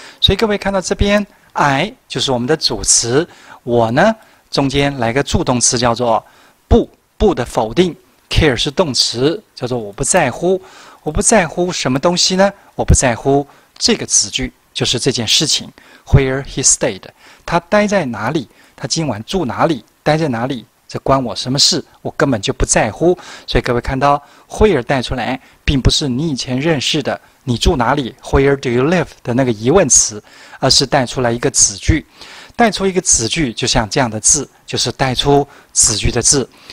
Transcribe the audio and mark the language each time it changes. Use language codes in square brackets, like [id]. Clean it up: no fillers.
[zh] 所以各位看到这边 I 就是我们的主词，我呢中间来个助动词叫做不，不的否定，care 是动词，叫做我不在乎。我不在乎什么东西呢？我不在乎这个子句，就是这件事情。 [en] Where he stayed， [zh] 他待在哪里？他今晚住哪里？待在哪里？这关我什么事？我根本就不在乎。所以各位看到 where 带出来，并不是你以前认识的你住哪里 ， [en] Where do you live [zh] 的那个疑问词，而是带出来一个子句。带出一个子句，就像这样的字，就是带出子句的字。